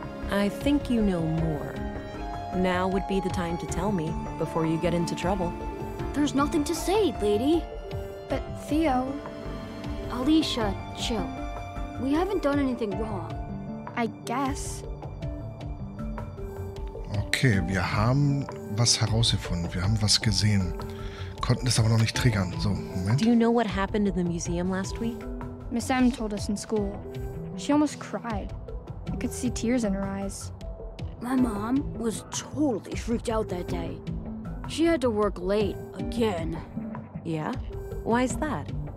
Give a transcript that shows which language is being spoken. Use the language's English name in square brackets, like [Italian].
[English] I think you know more. Now would be the time to tell me, before you get into trouble. There's nothing to say, lady. But Theo... Alicia, chill. We haven't done anything wrong. I guess. [German] Okay, wir haben was herausgefunden. Wir haben was gesehen. Konnten es aber noch nicht triggern. So, Moment. [English] Do you know what happened in the museum last week? Miss M told us in school. She almost cried. I could see tears in her eyes. My mom was totally freaked out that day. She had to work late again. Yeah? Why is that?